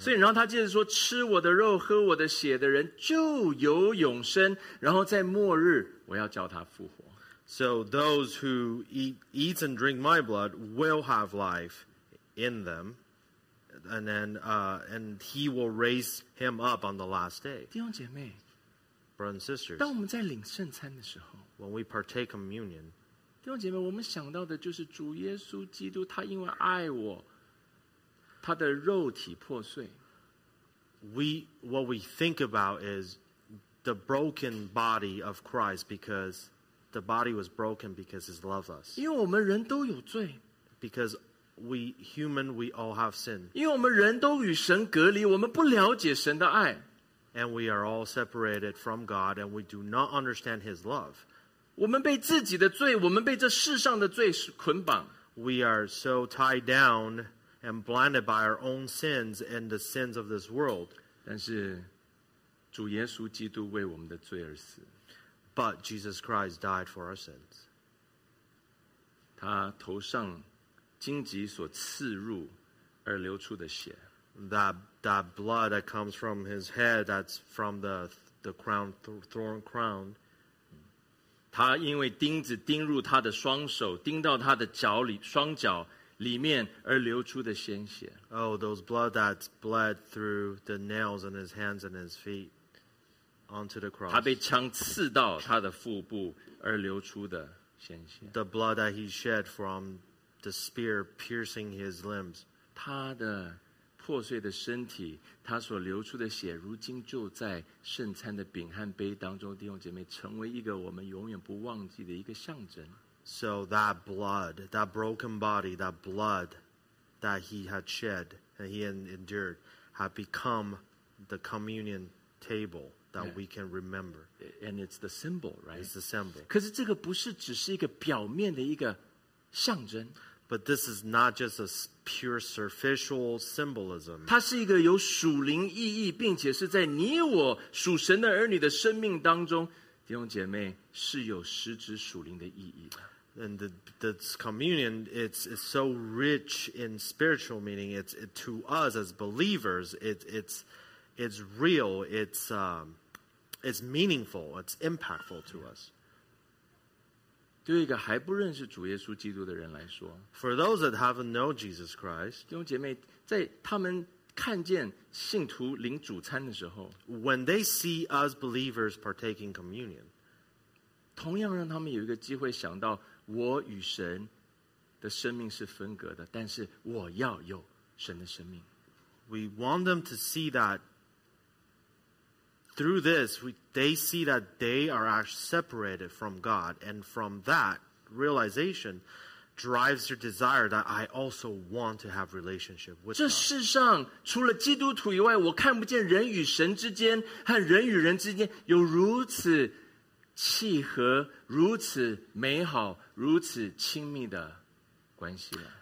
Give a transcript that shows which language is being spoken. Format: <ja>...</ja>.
<zh>所以然后他接着说吃我的肉喝我的血的人就有永生然后在末日我要叫他复活。</zh> <en>So those who eat and drink my blood will have life in them, and then, and he will raise him up on the last day.</en> <zh>弟兄姐妹</zh> <en>brothers and sisters,</en> <zh>当我们在领圣餐的时候</zh> <en>when we partake communion,</en> <zh>弟兄姐妹，我们想到的就是主耶稣基督，他因为爱我，他的肉体破碎。</zh> <en>What we think about is the broken body of Christ because the body was broken because his love us.</en> <zh>因为我们人都有罪。</zh> <en>Because we human, we all have sin.</en> <zh>因为我们人都与神隔离，我们不了解神的爱。</zh> <en>And we are all separated from God, and we do not understand his love.</en> <zh>我们被自己的罪我们被这世上的罪捆绑</zh> <en>We are so tied down and blinded by our own sins and the sins of this world</en> <zh>但是主耶稣基督为我们的罪而死</zh> <en>But Jesus Christ died for our sins</en> <zh>他头上荆棘所刺入而流出的血</zh> <en>That blood that comes from his head that's from the crown, thorn crown</en> <zh>他因为钉子钉入他的双手，钉到他的脚里、双脚里面而流出的鲜血。</zh> <en>Oh, those blood that bled through the nails in his hands and his feet onto the cross.</en> <zh>他被枪刺到他的腹部而流出的鲜血。</zh> <en>The blood that he shed from the spear piercing his limbs.</en> <zh>他的破碎的身体，他所流出的血，如今就在圣餐的饼和杯当中，弟兄姐妹，成为一个我们永远不忘记的一个象征。</zh> <en>So that blood, that broken body, that blood that he had shed and he had endured, had become the communion table that we can remember. And it's the symbol, right? It's the symbol.</en> <zh>可是这个不是只是一个表面的一个象征。</zh> <en>But this is not just a pure superficial symbolism.</en> <zh>它是一个有属灵意义，并且是在你我属神的儿女的生命当中，弟兄姐妹是有实质属灵的意义的。</zh> <en>And the communion, it's so rich in spiritual meaning. It's to us as believers, it's real. It's meaningful. It's impactful to us.</en> <zh>对一个还不认识主耶稣基督的人来说</zh> <en>For those that haven't known Jesus Christ</en> <zh>弟兄姐妹在他们看见信徒领主餐的时候</zh> <en>When they see us believers partaking communion</en> <zh>同样让他们有一个机会想到我与神的生命是分隔的但是我要有神的生命</zh> <en>We want them to see that through this, they see that they are actually separated from God. And from that realization drives your desire that I also want to have relationship with God.</en> <zh>这世上除了基督徒以外, 我看不见人与神之间和人与人之间有如此契合, 如此美好, 如此亲密的关系了。</zh>